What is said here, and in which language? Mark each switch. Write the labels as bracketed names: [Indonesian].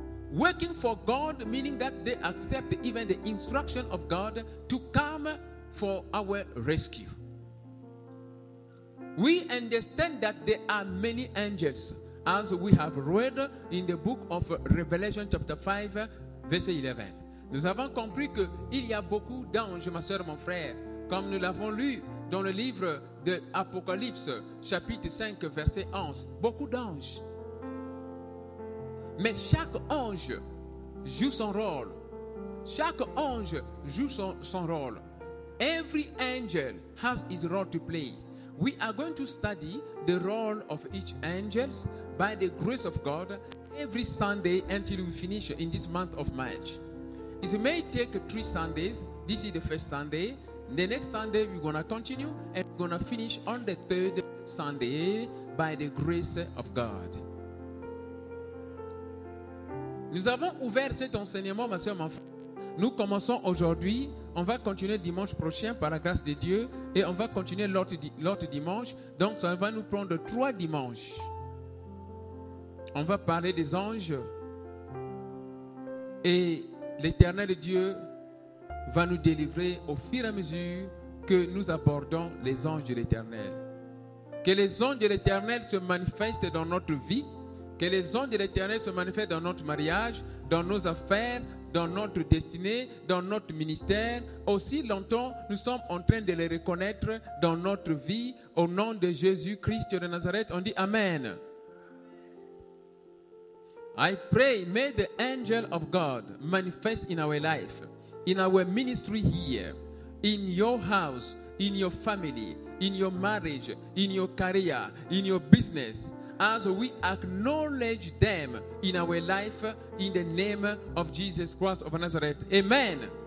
[English] Working for God, meaning that they accept even the instruction of God to come for our rescue. We understand that there are many angels, as we have read in the book of Revelation chapter 5, verset 11. [French] Nous avons compris qu'il y a beaucoup d'anges, ma soeur, mon frère, comme nous l'avons lu dans le livre de Apocalypse, chapitre 5, verset 11. Beaucoup d'anges. Mais chaque ange joue son rôle. Chaque ange joue son rôle. [English] Every angel has his role to play. We are going to study the role of each angel by the grace of God every Sunday until we finish in this month of March. It may take 3 Sundays. This is the first Sunday. The next Sunday we're going to continue and we're going to finish on the third Sunday by the grace of God. [French] Nous avons ouvert cet enseignement, ma soeur, mon frère. Nous commençons aujourd'hui, on va continuer dimanche prochain par la grâce de Dieu et on va continuer l'autre dimanche. Donc ça va nous prendre 3 dimanches. On va parler des anges et l'Éternel Dieu va nous délivrer au fur et à mesure que nous abordons les anges de l'Éternel. Que les anges de l'Éternel se manifestent dans notre vie. Que les anges de l'Éternel se manifestent dans notre mariage, dans nos affaires, dans notre destinée, dans notre ministère. Aussi longtemps, nous sommes en train de les reconnaître dans notre vie. Au nom de Jésus-Christ de Nazareth, on dit Amen. [English] I pray, may the angel of God manifest in our life, in our ministry here, in your house, in your family, in your marriage, in your career, in your business. As we acknowledge them in our life, in the name of Jesus Christ of Nazareth. Amen.